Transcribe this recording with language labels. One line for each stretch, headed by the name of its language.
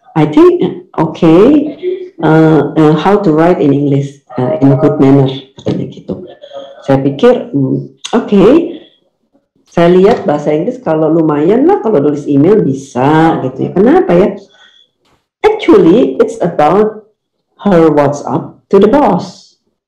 English: I think okay, how to write in English in a good manner,
Indonesian: katanya gitu. Saya pikir okay, saya lihat bahasa Inggris kalau lumayan lah, kalau nulis email bisa gitu ya. Kenapa ya?
English: Actually it's about her WhatsApp to the boss.